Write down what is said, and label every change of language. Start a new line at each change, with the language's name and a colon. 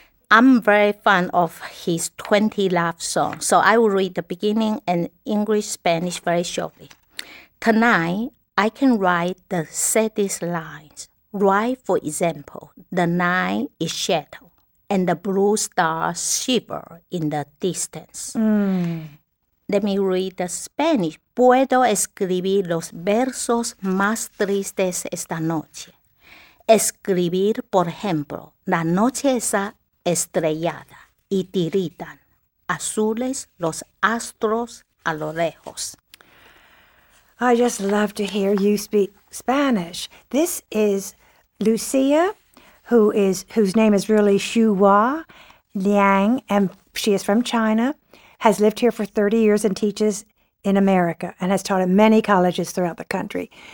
English: I'm very fond of his 20 love songs, so I will read the beginning and English, Spanish very shortly. Tonight, I can write the saddest lines. Write, for example, the night is shadow and the blue stars shiver in the distance. Mm. Let me read the Spanish.
Spanish: Puedo escribir los versos más tristes esta noche. Escribir, por ejemplo, la noche esa estrellada y tiritan azules los astros a lo lejos.
English: I just love to hear you speak Spanish. This is Lucia, whose name is really Xu Hua Liang, and She is from China, has lived here for 30 years and teaches in America and has taught at many colleges throughout the country.